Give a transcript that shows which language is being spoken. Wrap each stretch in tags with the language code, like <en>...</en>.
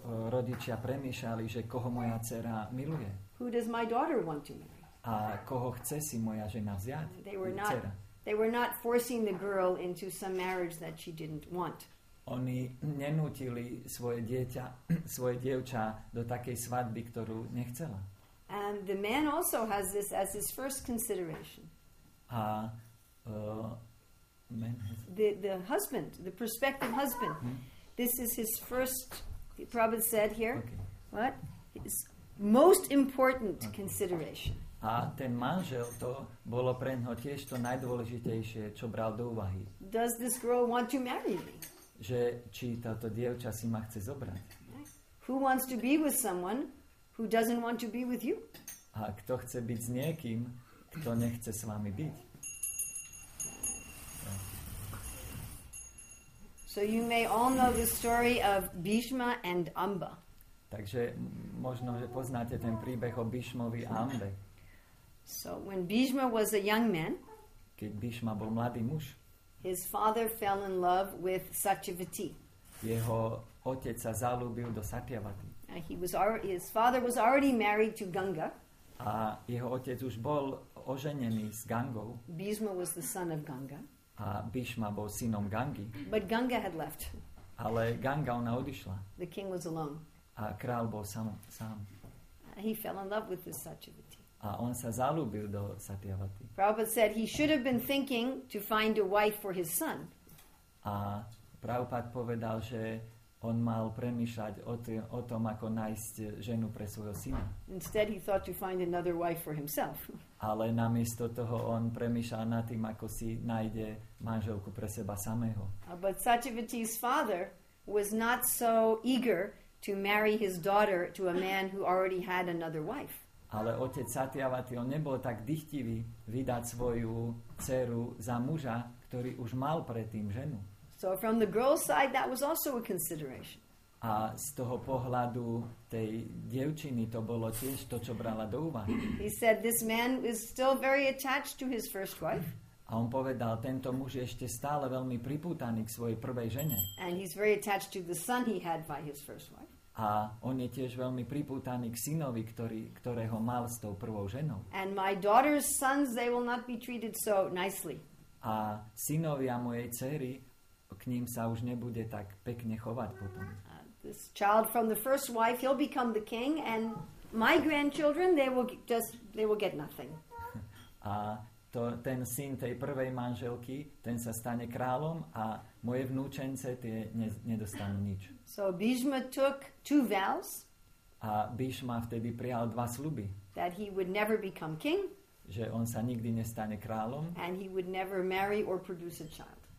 <sk>Rodičia premýšľali, že koho moja dcera miluje.</sk> <en>Who does my daughter want to marry?</en> <sk>A koho chce si moja žena vziať?</sk> <en>They were not forcing the girl into some marriage that she didn't want.</en> <sk>Oni nenútili svoje dievča do takej svadby, ktorú nechcela.</sk> <en>And the man also has this as his first consideration. A man the husband, the prospective husband. Hmm? This is his first, the Prabhupada said here. Okay. What? His most important consideration.</en> <sk>A ten manžel, to bolo pre ňoho tiež to najdôležitejšie, čo bral do úvahy.</sk> <en>Does this girl want to marry me?</en> <sk>Že či táto dievča si ma chce zobrať.</sk> <en>Who wants to be with someone who doesn't want to be with you?</en> <sk>A kto chce byť s niekým, kto nechce s vami byť?</sk> <en>So you may all know the story of Bhishma and Amba.</en> <sk>Takže možno, že poznáte ten príbeh o Bhishmovi a Ambe.</sk> <en>So when Bhishma was a young man,</en> <sk>keď Bhishma bol mladý muž,</sk> <en>his father fell in love with Satyavati.</en> <sk>Jeho otec sa zalúbil do Satyavati.</sk> <en>His father was already married to Ganga.</en> <sk>A jeho otec už bol oženený s Gangou.</sk> <en>Bhishma was the son of Ganga.</en> <sk>A Bhishma bol synom Gangi.</sk> <en>But Ganga had left.</en> <sk>Ale Ganga, ona odišla.</sk> <en>The king was alone.</en> <sk>A král bol sám.</sk> <en>He fell in love with this Satyavati.</en> <sk>A on sa zalúbil do Satyavati.</sk> <en>Prabhupada said he should have been thinking to find a wife for his son.</en> <sk>A Prabhupada povedal, že on mal premýšľať o tom, ako nájsť ženu pre svojho syna.</sk> <en>Instead he thought to find another wife for himself.</en> <sk>Ale namiesto toho on premýšľal nad tým, ako si nájde manželku pre seba samého.</sk> <en>But Satyavati's father was not so eager to marry his daughter to a man who already had another wife.</en> <sk>Ale otec Satyavati, on nebol tak dychtivý vydať svoju dceru za muža, ktorý už mal predtým ženu.</sk> <en>So from the girl's side, that was also a consideration.</en> <sk>A z toho pohľadu tej dievčiny to bolo tiež to, čo brala do úvahy.</sk> <en>He said this man is still very attached to his first wife.</en> <sk>A on povedal, tento muž je ešte stále veľmi pripútaný k svojej prvej žene.</sk> <en>And he's very attached to the son he had by his first wife.</en> <sk>A on je tiež veľmi pripútaný k synovi, ktorého mal s tou prvou ženou.</sk> <en>And my daughter's sons, they will not be treated so nicely.</en> <sk>A synovia mojej dcery, k ním sa už nebude tak pekne chovať potom.</sk> <en>This child from the first wife, he'll become the king, and my grandchildren, they will get nothing.</en> <sk>A ten syn tej prvej manželky, ten sa stane kráľom a moje vnúčence tie nedostanú nič.</sk> <en>So Bhishma took two vows.</en> <sk>A Bhishma vtedy prijal dva sľuby.</sk> <en>That he would never become king.</en> <sk>Že on sa nikdy nestane kráľom.</sk> <en>And he would never marry or produce a child.</en>